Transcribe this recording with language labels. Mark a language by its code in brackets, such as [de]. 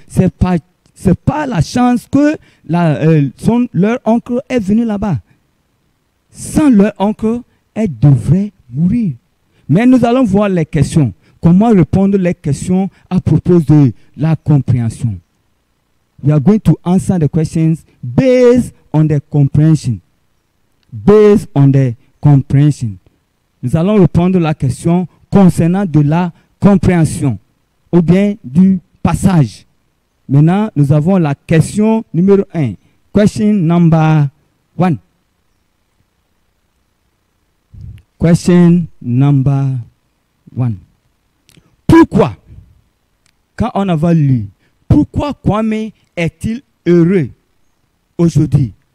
[fr] C'est pas la chance que leur oncle est venu là-bas. Sans leur oncle, elle devrait mourir. Mais nous allons voir les questions. Comment répondre les questions à propos de la compréhension? [en] We are going to answer the questions based on the comprehension. Based on the comprehension. [fr] Nous allons reprendre la question concernant de la compréhension ou bien du passage. Maintenant, nous avons la question numéro 1. [en] Question number 1. Question number 1. [fr] Pourquoi, quand on avait lu, pourquoi Kwame est-il heureux aujourd'hui?